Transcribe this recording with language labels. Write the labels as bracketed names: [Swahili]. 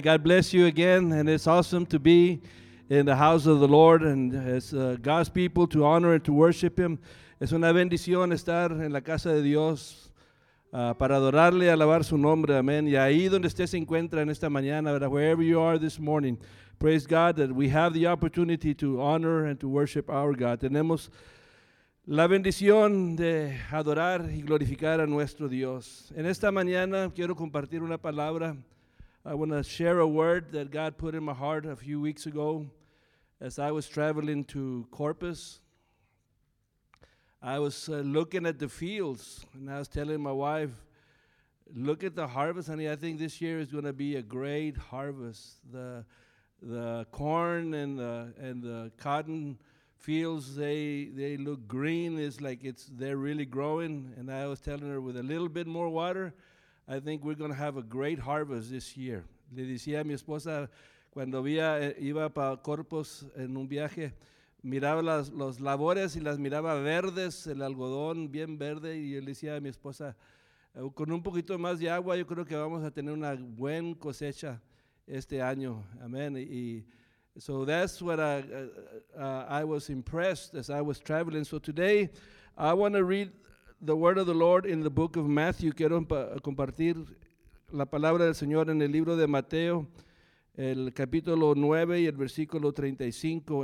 [English] God bless you again, and it's awesome to be in the house of the Lord and as God's people to honor and to worship Him. [Spanish] Es una bendición estar en la casa de Dios para adorarle y alabar su nombre. [English] Amen. [Spanish] Y ahí donde usted se encuentra en esta mañana, [English] wherever you are this morning, praise God that we have the opportunity to honor and to worship our God. [Spanish] Tenemos la bendición de adorar y glorificar a nuestro Dios. En esta mañana quiero compartir una palabra. [English] I want to share a word that God put in my heart a few weeks ago as I was traveling to Corpus. I was looking at the fields, and I was telling my wife, look at the harvest, honey. I think this year is going to be a great harvest. The corn and the cotton fields, they look green. It's like they're really growing. And I was telling her, with a little bit more water, I think we're going to have a great harvest this year. [Spanish] Le decía a mi esposa, cuando iba para Corpus en un viaje, miraba los labores y las miraba verdes, el algodón bien verde, y yo le decía a mi esposa, con un poquito más de agua, yo creo que vamos a tener una buena cosecha este año. Amen. [English] Y so that's what I was impressed as I was traveling. So today, I want to read the word of the Lord in the book of Matthew. [Spanish] Quiero compartir la palabra del Señor en el libro de Mateo, el capítulo 9 y el versículo 35.